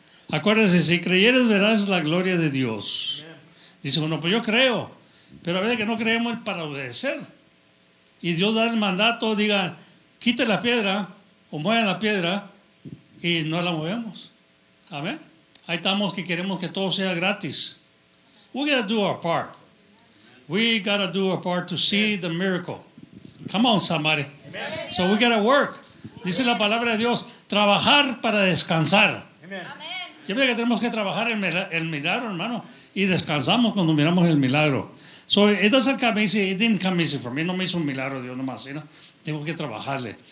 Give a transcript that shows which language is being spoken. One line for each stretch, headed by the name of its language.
Spanish: Acuérdese, si creyeres verás la gloria de Dios. Dice uno, pues yo creo, pero a veces que no creemos es para obedecer. Y Dios da el mandato, diga, quite la piedra o mueva la piedra y no la movemos. Amén. Ahí estamos que queremos que todo sea gratis.
English: We got to do our part. We got to do our part to see the miracle. Come on, somebody. Amen. So we got to work.
Spanish: Dice la palabra de Dios, trabajar para descansar. Amen. Siempre que tenemos que trabajar el milagro, hermano, y descansamos cuando miramos el milagro.
English: So it doesn't come easy. It didn't come easy for me.
Spanish: No me hizo un milagro Dios nomás, ¿no? Tengo que trabajarle.